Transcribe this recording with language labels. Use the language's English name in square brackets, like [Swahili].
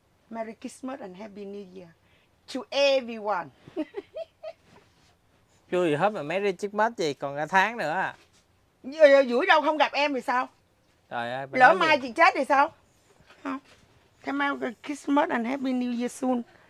[English] Merry Christmas and Happy New Year to everyone. [Vietnamese] Chưa gì hết mà [English] Merry Christmas [Vietnamese] gì còn cả tháng nữa à. Dũi đâu không gặp em thì sao? Trời ơi. Lỡ mai gì? Chị chết thì sao? [English] Thế Merry Christmas and Happy New Year soon.